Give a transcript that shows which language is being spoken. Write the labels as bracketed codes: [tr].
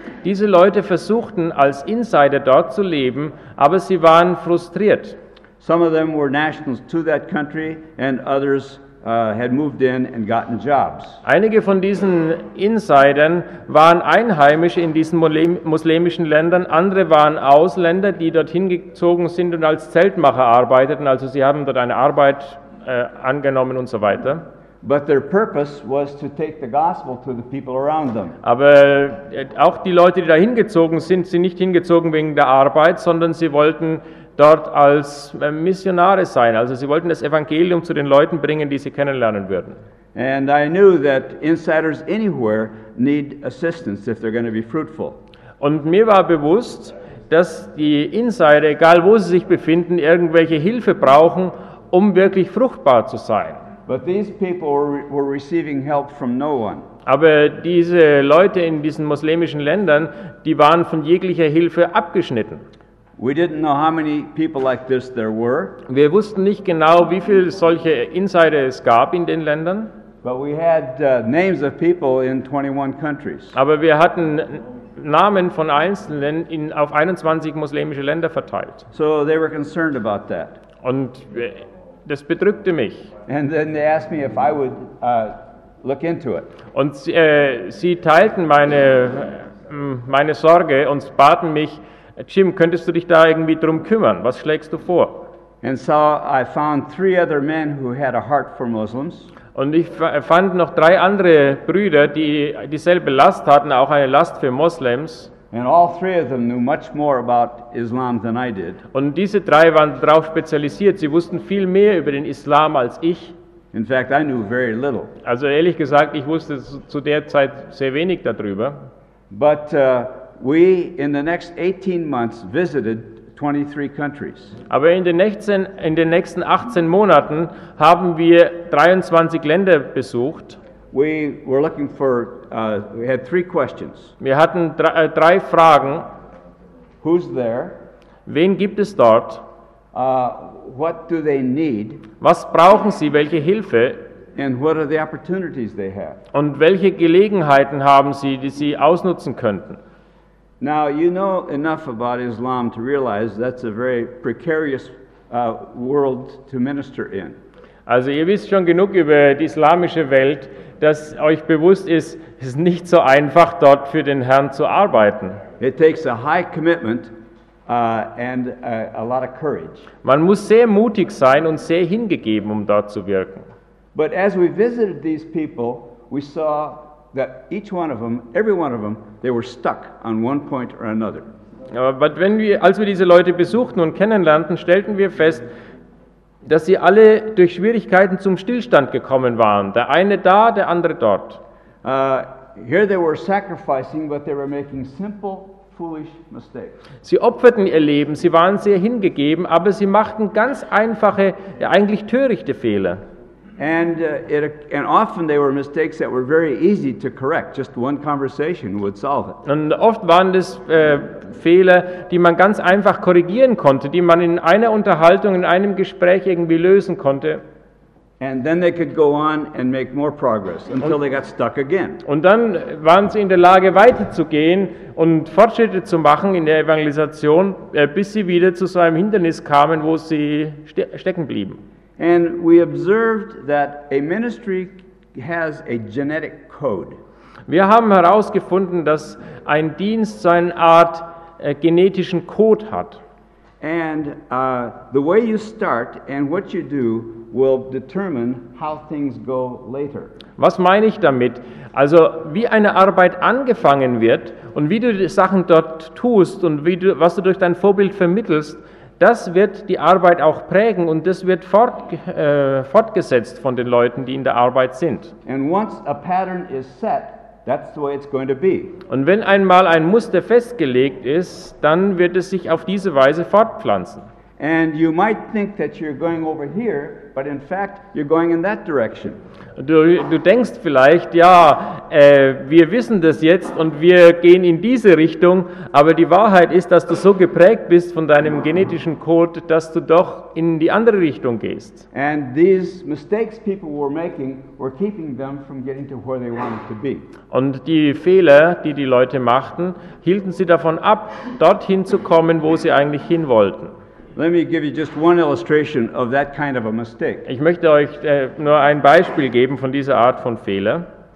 [de] Diese Leute versuchten als Insider dort zu leben, aber sie waren frustriert. [en] Some of them were nationals to that country and others had moved in and gotten jobs. [de] Einige von diesen Insidern waren Einheimische in diesen muslimischen Ländern, andere waren Ausländer, die dorthin gezogen sind und als Zeltmacher arbeiteten, also sie haben dort eine Arbeit angenommen und so weiter. [en] But their purpose was to take the gospel to the people around them. [de] Aber auch die Leute, die dahin gezogen sind, sind nicht hingezogen wegen der Arbeit, sondern sie wollten dort als Missionare sein. Also sie wollten das Evangelium zu den Leuten bringen, die sie kennenlernen würden. [en] And I knew that insiders anywhere need assistance if they're going to be fruitful. [de] Und mir war bewusst, dass die Insider, egal wo sie sich befinden, irgendwelche Hilfe brauchen, um wirklich fruchtbar zu sein. [en] But these people were receiving help from no one. [de] Aber diese Leute in diesen muslimischen Ländern, die waren von jeglicher Hilfe abgeschnitten. [en] We didn't know how many people like this there were. [de] Wir wussten nicht genau, wie viele solche Insider es gab in den Ländern. [en] But we had names of people in 21 countries. [de] Aber wir hatten Namen von Einzelnen auf 21 muslimische Länder verteilt. [en] So they were concerned about that. [de] Und das bedrückte mich. [en] And then they asked me if I would look into it. [de] Und sie teilten meine Sorge und baten mich: Jim, könntest du dich da irgendwie drum kümmern? Was schlägst du vor? [en] And so I found three other men who had a heart for Muslims. [de] Und ich fand noch drei andere Brüder, die dieselbe Last hatten, auch eine Last für Muslims. [en] And all three of them knew much more about Islam than I did. [de] Und diese drei waren darauf spezialisiert. Sie wussten viel mehr über den Islam als ich. [en] In fact, I knew very little. [de] Also ehrlich gesagt, ich wusste zu der Zeit sehr wenig darüber. [en] But we in the next 18 months visited 23 countries. [de] Aber in den nächsten 18 Monaten haben wir 23 Länder besucht. [en] We were looking for we had three questions. [de] Wir hatten drei Fragen. [en] Who's there? [de] Wen gibt es dort? [en] What do they need? [de] Was brauchen sie, welche Hilfe? [en] And what are the opportunities they have? [de] Und welche Gelegenheiten haben sie, die sie ausnutzen könnten? [en] Now you know enough about Islam to realize that's a very precarious world to minister in. [de] Also ihr wisst schon genug über die islamische Welt, dass euch bewusst ist, es ist nicht so einfach dort für den Herrn zu arbeiten. [en] It takes a high commitment and a lot of courage. [de] Man muss sehr mutig sein und sehr hingegeben, um dort zu wirken. [en] But as we visited these people, we saw that each one of them, every one of them, they were stuck on one point or another. But when we, [de] als wir diese Leute besuchten und kennenlernten, stellten wir fest, dass sie alle durch Schwierigkeiten zum Stillstand gekommen waren. Der eine da, der andere dort. [en] Here they were sacrificing, but they were making simple, foolish mistakes. [de] Sie opferten ihr Leben, sie waren sehr hingegeben, aber sie machten ganz einfache, eigentlich törichte Fehler. [en] And often they were mistakes that were very easy to correct. Just one conversation would solve it. [de] Und oft waren das Fehler, die man ganz einfach korrigieren konnte, die man in einer Unterhaltung, in einem Gespräch irgendwie lösen konnte. [en] And then they could go on and make more progress until they got stuck again. [de] Und dann waren sie in der Lage weiterzugehen und Fortschritte zu machen in der Evangelisation, bis sie wieder zu so einem Hindernis kamen, wo sie stecken blieben. [en] And we observed that a ministry has a genetic code. [de] Wir haben herausgefunden, dass ein Dienst so eine Art genetischen Code hat. [en] And the way you start and what you do will determine how things go later. [de] Was meine ich damit? Also, wie eine Arbeit angefangen wird und wie du die Sachen dort tust und wie du, was du durch dein Vorbild vermittelst, das wird die Arbeit auch prägen und das wird fortgesetzt von den Leuten, die in der Arbeit sind. [en] And once a pattern is set, that's the way it's going to be. [de] Und wenn einmal ein Muster festgelegt ist, dann wird es sich auf diese Weise fortpflanzen. [en] And you might think that you're going over here, but in fact, you're going in that direction. [de] Du denkst vielleicht, ja, wir wissen das jetzt und wir gehen in diese Richtung, aber die Wahrheit ist, dass du so geprägt bist von deinem genetischen Code, dass du doch in die andere Richtung gehst. [en] And these mistakes people were making were keeping them from getting to where they wanted to be. [de] Und die Fehler, die die Leute machten, hielten sie davon ab, dorthin zu kommen, wo sie eigentlich hin wollten. [en] Let me give you just one illustration of that kind of a mistake. [de] Ich möchte euch nur ein Beispiel geben von dieser Art von Fehler.